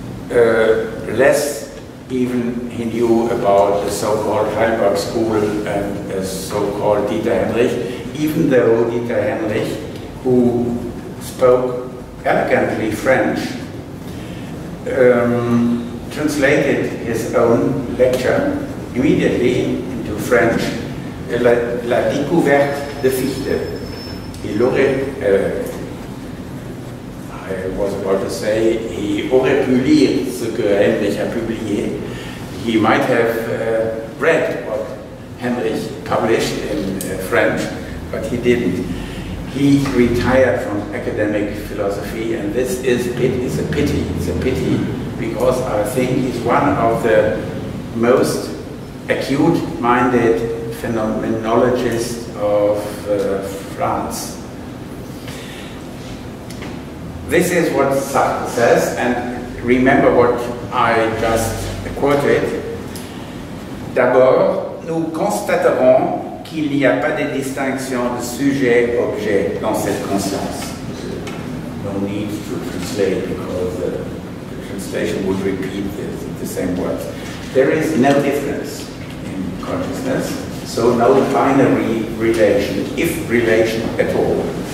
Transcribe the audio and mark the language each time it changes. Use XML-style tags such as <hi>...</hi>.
<en>Less even he knew about the so-called Heidelberg School and the so-called Dieter Henrich, even though Dieter Henrich, who spoke elegantly French, translated his own lecture immediately into French,</en> <fr>La Découverte de Fichte.</fr> <en>He</en> <fr>aurait pu lire ce que Henrich a publié.</fr> <en>He might have read what Henrich published in French, but he didn't. He retired from academic philosophy, and this is a pity. It's a pity because I think he's one of the most acute-minded phenomenologists of France. This is what Sartre says, and remember what I just quoted.</en> <fr>D'abord, nous constaterons qu'il n'y a pas de distinction de sujet-objet dans cette conscience.</fr> <en>No need to translate because the translation would repeat the same words. There is no difference in consciousness, so no binary relation, if relation at all.</en>